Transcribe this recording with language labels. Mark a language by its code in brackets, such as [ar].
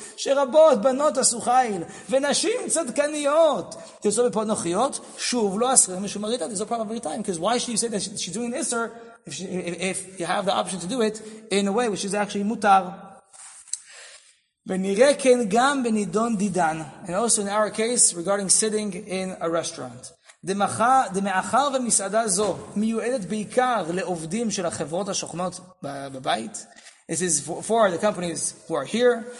[en] There's no problem every time. Because why should you say that she's doing an iser if you have the option to do it in a way which is actually mutar? And also in our case regarding sitting in a restaurant. [he] דמאחר ומסעדה זו מיועדת בעיקר לעובדים של החברות השוכנות בבית. [en] This is for the companies who are here.